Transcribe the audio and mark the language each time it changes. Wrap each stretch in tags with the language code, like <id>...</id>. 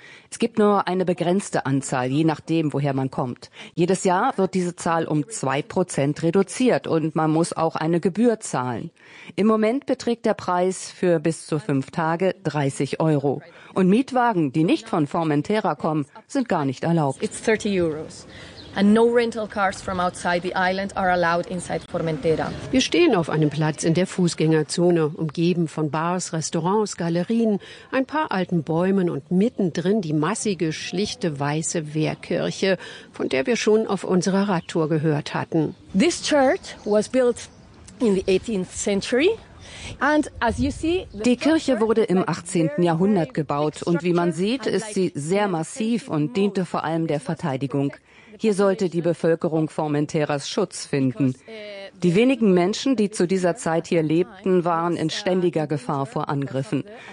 <de>Es gibt nur eine begrenzte Anzahl, je nachdem, woher man kommt. Jedes Jahr wird diese Zahl um 2% reduziert und man muss auch eine Gebühr zahlen. Im Moment beträgt der Preis für bis zu 5 Tage 30 Euro. Und Mietwagen, die nicht von Formentera kommen, sind gar nicht erlaubt.</de> <en>It's 30 Euros. And no rental cars from outside the island are allowed inside Formentera.</en> <de>Wir stehen auf einem Platz in der Fußgängerzone, umgeben von Bars, Restaurants, Galerien, ein paar alten Bäumen und mittendrin die massige, schlichte, weiße Wehrkirche, von der wir schon auf unserer Radtour gehört hatten.</de> <en>This church was built in the 18th century.</en> <de>Die Kirche wurde im 18. Jahrhundert gebaut und wie man sieht, ist sie sehr massiv und diente vor allem der Verteidigung. Hier sollte die Bevölkerung Formenteras Schutz finden. Die wenigen Menschen, die zu dieser Zeit hier lebten, waren in ständiger Gefahr vor Angriffen.</de>